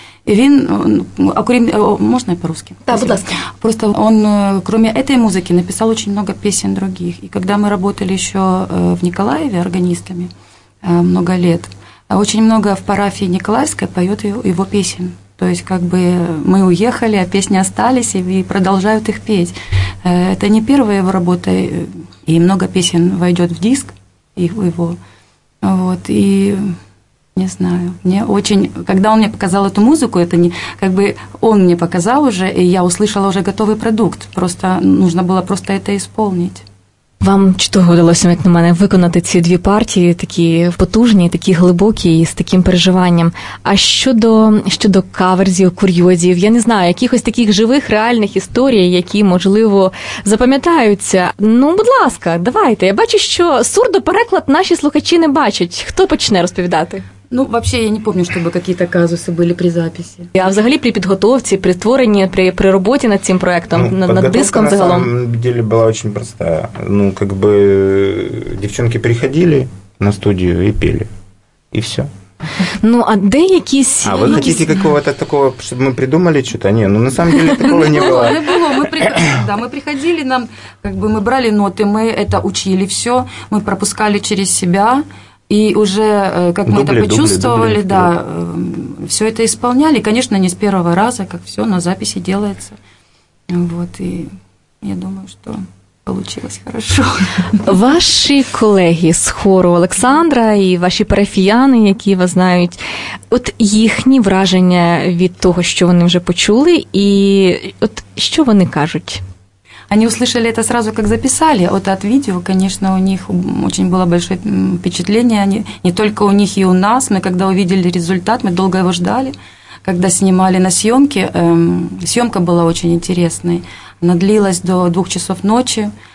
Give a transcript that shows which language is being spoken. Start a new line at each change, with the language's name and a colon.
Ukrainian: І він, окрім,
Russian: можна по-русски?
Ukrainian: Так, будь ласка. Просто він, крім цієї музики, написав дуже багато пісень інших. І коли ми працювали ще в Ніколаєві органістами багато років, дуже багато в парафії Ніколаївській поют його пісень.
Russian: То есть, как бы, мы уехали, а песни остались, и продолжают их петь. Это не первая его работа, и много песен войдет в диск. Его. Вот, и не знаю, мне очень, когда он мне показал эту музыку, это не, как бы он мне показал уже, и я услышала уже готовый продукт, просто нужно было просто это исполнить.
Ukrainian: Вам чого вдалося, як на мене, виконати ці дві партії, такі потужні, такі глибокі і з таким переживанням? А щодо каверзів, курйозів, я не знаю, якихось таких живих, реальних історій, які, можливо, запам'ятаються? Ну, будь ласка, давайте. Я бачу, що сурдопереклад наші слухачі не бачать. Хто почне розповідати?
Russian: Ну, вообще, я не помню, чтобы какие-то казусы были при записи.
Ukrainian: А взагалі
Russian: при подготовке, при творении, при работе над этим проектом, над диском в
Ukrainian: загалом?
Russian: На самом деле была очень простая. Ну, как бы девчонки приходили на студию и пели. И все.
Ukrainian: Ну, а где якісь...
Russian: А вы хотите какого-то такого, чтобы мы придумали что-то? Нет, ну, на самом деле такого не было. Не было, не было. Да, мы приходили, нам, как бы, мы брали ноты, мы это учили все, мы пропускали через себя... И уже, как мы это почувствовали, дубли. Все это исполняли. Конечно, не с первого раза, как все на записи делается. Вот, и я думаю, что получилось хорошо. Ваши коллеги с хору Александра и ваши
Ukrainian: парафіяни, які вас знають, от їхні враження від того, що вони вже почули, і от що вони кажуть?
Russian: Они услышали это сразу, как записали. Вот от видео, конечно, у них очень было большое впечатление. Они, не только у них и у нас. Мы когда увидели результат, мы долго его ждали, когда снимали на съемке. Съемка была очень интересной. Она длилась до 2 часов ночи.